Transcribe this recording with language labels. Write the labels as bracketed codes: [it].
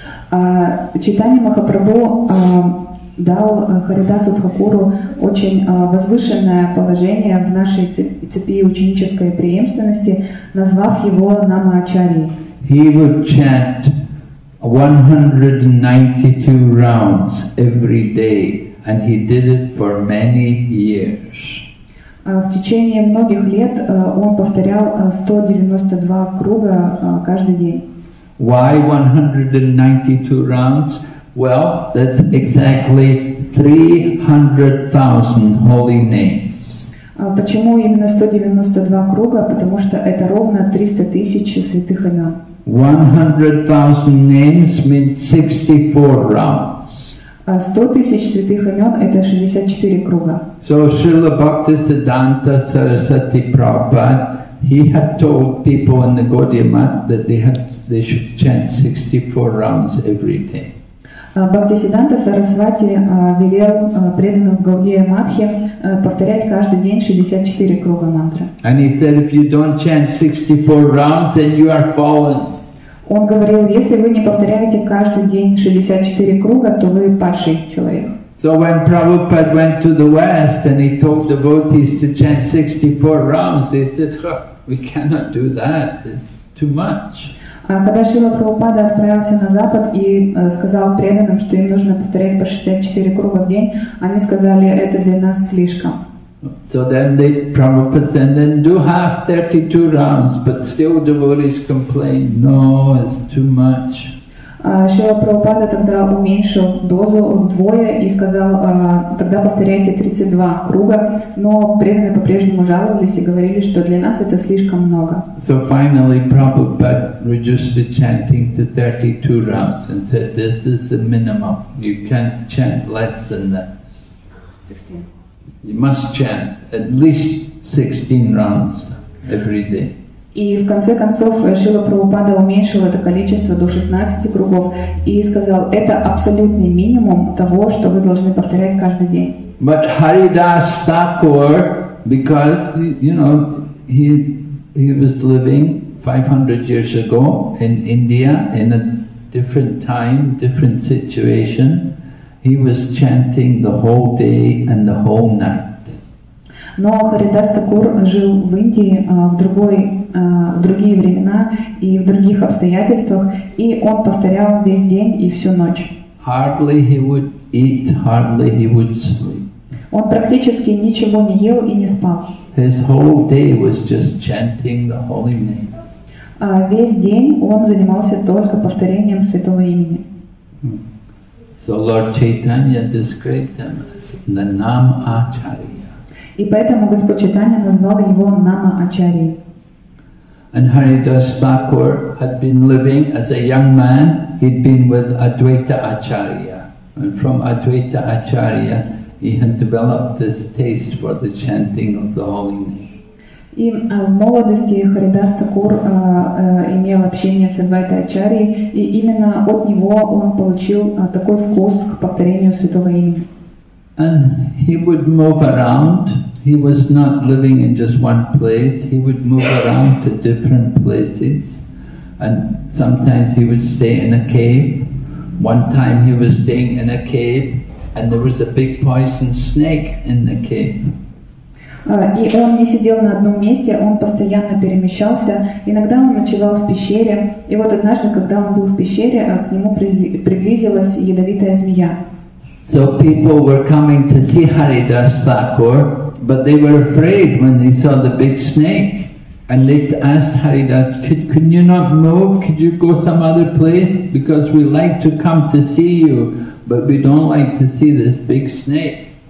[ru] Чайтанья Махапрабху дал Харидасу Тхакуру очень возвышенное положение в нашей цепи ученической преемственности, назвав его Нам Ачарьей. [en] He would chant 192 rounds every day, and he did it for many years. [ru] В течение многих лет он повторял 192 круга каждый день. [en] Why 192 rounds? Well, that's exactly 300,000 holy names. [ru] Почему именно 192 круга? Потому что это ровно 300 тысяч святых имен. [en] 100,000 names means 64 rounds. [ru] 100 тысяч святых имен — это 64 круга. [en] So Srila Bhaktisiddhanta Sarasati Prabhupada, he had told people in the Gaudiya Math that they should chant 64 rounds every day. [ru] Бхактисиддханта Сарасвати велел преданным в Гаудия Матхе повторять каждый день 64 круга мантры. [en] And he said, if you don't chant 64 rounds, then you are fallen. [ru] Он говорил, если вы не повторяете каждый день 64 круга, то вы падший человек. [en] So when Prabhupada went to the West and he told devotees to chant 64 rounds, they said, we cannot do that. It's too much. [ru] Когда Шрила Прабхупада отправился на Запад и сказал преданным, что им нужно повторять по 64 круга в день, они сказали, это для нас слишком. [en] So then they Prabhupada said, then do half 32 rounds, but still devotees complained, no, it's too much. [ru] Шрила Прабхупада тогда уменьшил дозу вдвое и сказал, тогда повторяйте 32 круга, но преданные по-прежнему жаловались и говорили, что для нас это слишком много. [en] So finally Prabhupada reduced the chanting to 32 rounds and said, this is the minimum, you can't chant less than that. 16. You must chant at least 16 rounds every day. [ru] И в конце концов Шрила Прабхупада уменьшил это количество до 16 кругов и сказал, это абсолютный минимум того, что вы должны повторять каждый день. [en] But Haridas Thakur, because you know, he was living 500 years ago in India in a different time, different situation, he was chanting the whole day and the whole night. [ru] Но Харидас Такур жил в Индии в другие времена и в других обстоятельствах, и он повторял весь день и всю ночь. [en] Hardly he would eat, hardly he would sleep. [ru] Он практически ничего не ел и не спал. [en] His whole day was just chanting the holy name. [ru] Весь день он занимался только повторением святого имени. [en] So Lord Chaitanya described him as the Nam Acharya. [ru] И поэтому Господь Чайтанья назвал его Нама Ачарьей. [en] And Haridas Thakur had been living as a young man, he'd been with Advaita Acharya. And from Advaita Acharya he had developed this taste for the chanting of the holy name. [ru] И в молодости Харидас Такур имел общение с Адвайта Ачарьей, и именно от него он получил такой вкус к повторению святого имени. [en] And he would move around. He was not living in just one place. He would move around to different places. And sometimes he would stay in a cave. One time he was staying in a cave and there was a big poison snake in the cave. [ru] И он не сидел на одном месте, он постоянно перемещался. Иногда он ночевал в пещере. И вот однажды, когда он был в пещере, к нему приблизилась ядовитая змея. [en] So people were coming to see Haridas Thakur, but they were afraid when they saw the big snake. And they asked Haridas, could you not move? Could you go some other place? Because we like to come to see you, but we don't like to see this big snake.